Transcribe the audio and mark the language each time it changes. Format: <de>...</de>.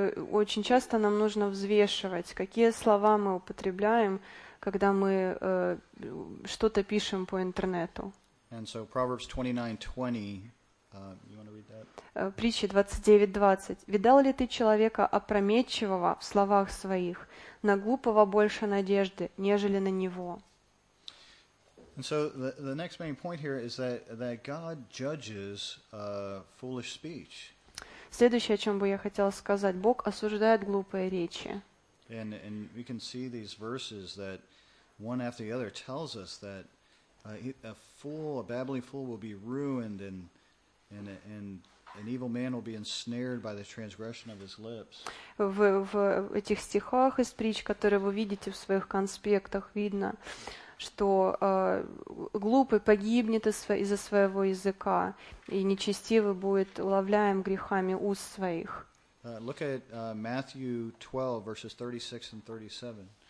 <ru>Очень часто нам нужно взвешивать, какие слова мы употребляем, когда мы что-то пишем по интернету.</ru> <en>And so Proverbs 29:20, you want to read that?</en> <ru>Притча 29:20. Видал ли ты человека опрометчивого в словах своих? На глупого больше надежды, нежели на него.</ru> <en>And so the next main point here is that God judges foolish speech.</en> <ru>Следующее, о чем бы я хотела сказать, Бог осуждает глупые речи.</ru> <en>And we can see these verses that one after the other tells us that a fool, a babbling fool, will be ruined, and an evil man will be ensnared by the transgression of his lips.</en> <ru>В этих стихах из притч, которые вы видите в своих конспектах, видно, что глупый погибнет из-за своего языка, и нечестивый будет уловляем грехами уст своих.</ru> <en>Look at Matthew 12, verses 36 and 37.</en>